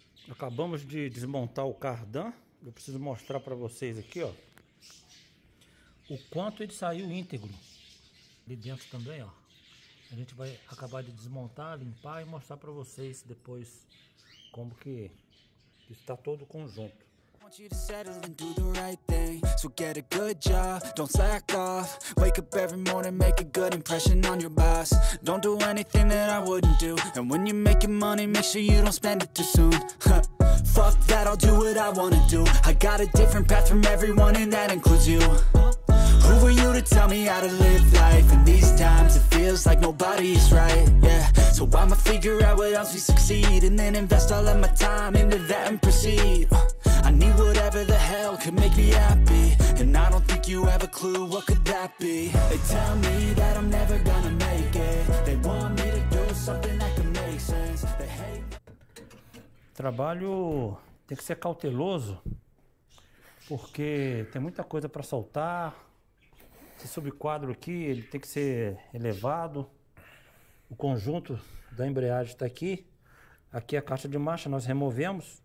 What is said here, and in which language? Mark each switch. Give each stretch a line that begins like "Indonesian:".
Portuguese: Acabamos de desmontar o cardan. Eu preciso mostrar para vocês aqui, ó, o quanto ele saiu íntegro. Ali dentro também, ó. A gente vai acabar de desmontar, limpar e mostrar para vocês depois como que está todo o conjunto.
English: I want you to settle and do the right thing. So get a good job, don't slack off. Wake up every morning, make a good impression on your boss. Don't do anything that I wouldn't do. And when you're making money, make sure you don't spend it too soon. Fuck that, I'll do what I wanna do. I got a different path from everyone, and that includes you. Who are you to tell me how to live life? In these times, it feels like nobody's right, yeah. So I'ma figure out what else we succeed. And then invest all of my time into that and proceed. I need whatever the hell could make me happy. And I don't think you have a clue what could that be. They tell me that I'm never gonna make it. They want me to do something that can make sense. They hate me.
Portuguese: Trabalho tem que ser cauteloso, porque tem muita coisa para soltar. Esse subquadro aqui, ele tem que ser elevado. O conjunto da embreagem está aqui. Aqui a caixa de marcha nós removemos